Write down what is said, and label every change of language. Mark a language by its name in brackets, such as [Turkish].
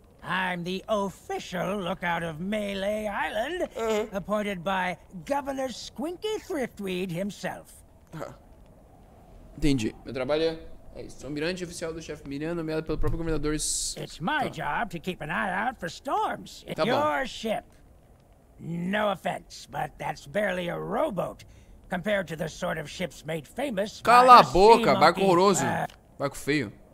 [English] I'm the official lookout of Melee Island, appointed by Governor Squinky Thriftweed himself. [Portuguese] Entendi. Meu trabalho é isso. Sou mirante oficial do chefe Miriam, nomeado pelo próprio governador. [English] It's my job to keep an eye out for storms. It's your ship. No offense, but that's barely a rowboat. Compared to the sort of ships made famous. [Portuguese] Cala a boca, barco horroroso. Barco feio.